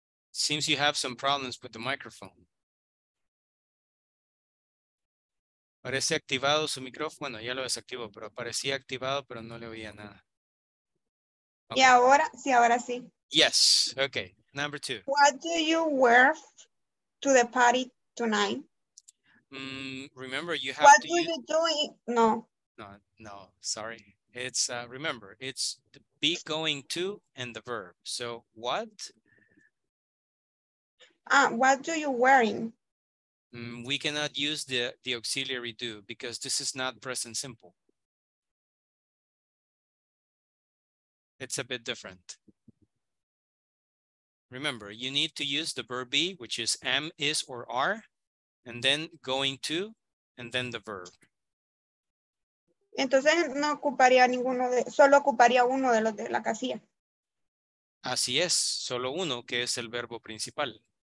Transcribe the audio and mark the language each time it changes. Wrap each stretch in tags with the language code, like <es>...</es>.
<en>Seems you have some problems with the microphone.</en> <es>Parece activado su micrófono. Ya lo desactivo, pero parecía activado, pero no le oía nada. Okay. Y ahora, sí, ahora sí.</es> <en>Yes, okay. Number two. What do you wear to the party tonight? Remember, you have to. What do you do? No. No, no, sorry. It's, remember, it's the be going to and the verb. So what? What do you wearing? We cannot use the auxiliary do because this is not present simple. It's a bit different. Remember, you need to use the verb be, which is am, is, or are, and then going to, and then the verb.</en> <es>Entonces, no ocuparía ninguno de, solo ocuparía uno de los de la casilla. Así es, solo uno, que es el verbo principal.</es>